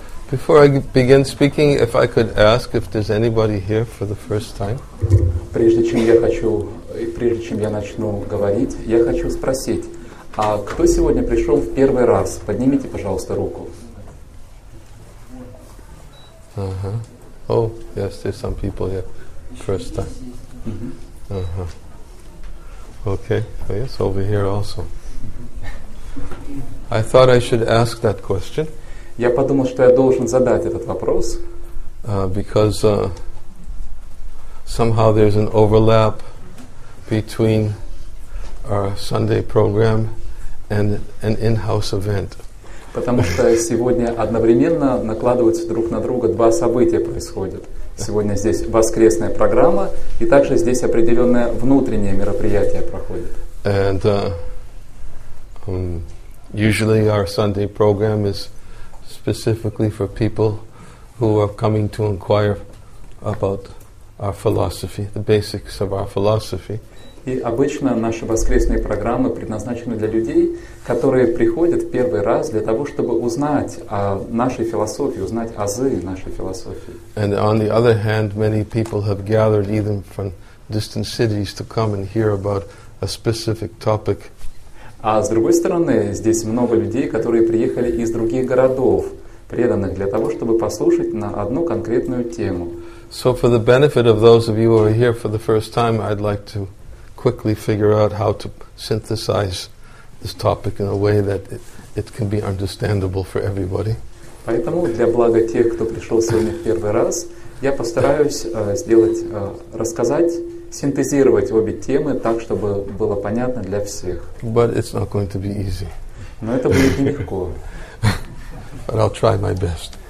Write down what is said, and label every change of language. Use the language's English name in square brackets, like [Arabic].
[English] Before I begin speaking, if I could ask if there's anybody here for the first time. [Russian] Прежде чем я начну говорить, я хочу спросить, а кто сегодня пришел в первый раз? Поднимите, пожалуйста, руку. [English] Uh-huh. Oh, yes, there's some people here. First time. Uh-huh. Okay, oh, yes, over here also. I thought I should ask that question. [Russian] Я подумал, что я должен задать этот вопрос. [English] Because somehow there's an overlap between our Sunday program and an in-house event. [Russian] Потому что сегодня одновременно накладываются друг на друга два события происходят. Сегодня здесь воскресная программа, и также здесь определенное внутреннее мероприятие проходит. [English] And usually our Sunday program is specifically for people who are coming to inquire about our philosophy, the basics of our philosophy. [Russian] И обычно наши воскресные программы предназначены для людей, которые приходят первый раз для того, чтобы узнать о нашей философии, узнать азы нашей философии. [English] And on the other hand, many people have gathered even from distant cities to come and hear about a specific topic. [Russian] А с другой стороны, здесь много людей, которые приехали из других городов, преданных для того, чтобы послушать на одну конкретную тему. [English] So for the benefit of those of you who are here for the first time, I'd like to quickly figure out how to synthesize this topic in a way that it can be understandable for everybody. [Russian] Поэтому для блага тех, кто пришел сегодня в первый раз, я постараюсь рассказать, синтезировать обе темы так, чтобы было понятно для всех. [English] But it's not going to be easy. [Russian] Но это будет нелегко. [English] But I'll try my best.